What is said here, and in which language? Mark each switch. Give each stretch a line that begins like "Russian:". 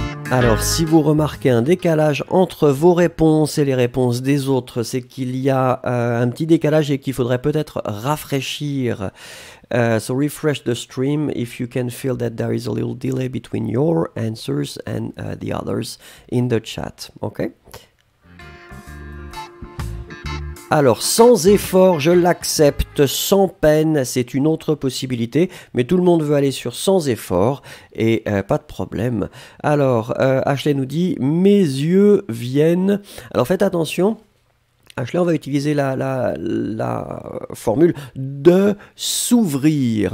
French: Alors, si vous remarquez un décalage entre vos réponses et les réponses des autres, c'est qu'il y a un petit décalage et qu'il faudrait peut-être rafraîchir.
English: So refresh the stream if you can feel that there is a little delay between your answers and the others in the chat. OK?
French: Alors, sans effort, je l'accepte, sans peine, c'est une autre possibilité, mais tout le monde veut aller sur sans effort, et pas de problème. Alors, Ashley nous dit, mes yeux viennent... Alors, faites attention, Ashley, on va utiliser la formule de s'ouvrir.